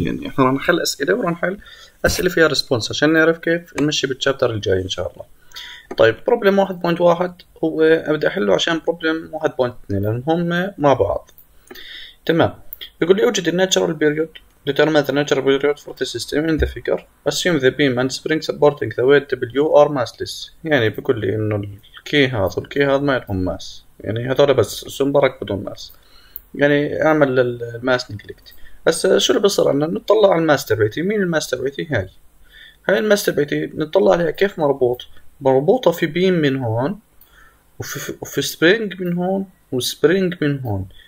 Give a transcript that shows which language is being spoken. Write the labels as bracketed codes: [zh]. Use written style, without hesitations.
[ar] يعني احنا راح نحل أسئلة وراح نحل أسئلة فيها ريسبونس عشان نعرف كيف نمشي بالشابتر الجاي إن شاء الله. طيب بروبلم 1.1 هو أبدأ أحله عشان بروبلم 1.2 لأن هم مع بعض. تمام، بيقول لي أوجد الناتشرال بيريود. [en] Determine the natural period for the system in the figure. Assume the beam and spring supporting the weight W are massless. [ar] يعني بيقول لي إنه الكي هذا والكي هذا ما لهم ماس، يعني هذول بس سنبرك بدون ماس. يعني اعمل الماس نيجلكت. بس شو اللي بصير عندنا؟ نطلع على الماس تبعتي. مين الماس تبعتي؟ هاي هاي الماس تبعتي. نطلع عليها كيف مربوط؟ مربوطه في بيم من هون وفي سبرينج من هون وسبرينج من هون.